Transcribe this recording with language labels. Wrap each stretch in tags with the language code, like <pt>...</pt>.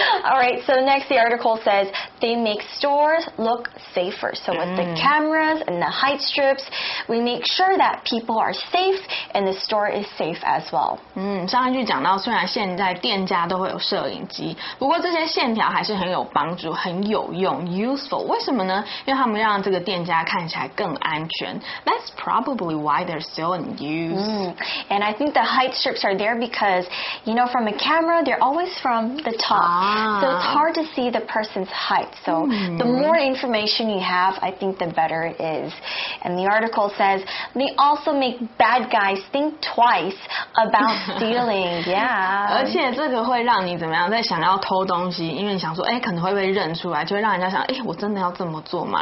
<en>All right, so next the article says they make stores look safer. So with the cameras and the height strips, we make sure that people are safe and the store is safe as well.</en> <zh>上一句讲到虽然现在店家都会有摄影机，不过这些线条还是很有帮助，很有用， useful. 为什么呢？因为他们让这个店家看起来更安全。</zh> <en>That's probably why they're still in use. And I think the height strips are there because, you know, from a camera, they're always from the top. So it's hard to see the person's height. So the more information you have, I think the better it is. And the article says, they also make bad guys think twice about stealing. Yeah.</en> <zh>而且这个会让你怎么样，在想要偷东西，因为你想说，可能会被认出来，就会让人家想，我真的要这么做吗？</zh>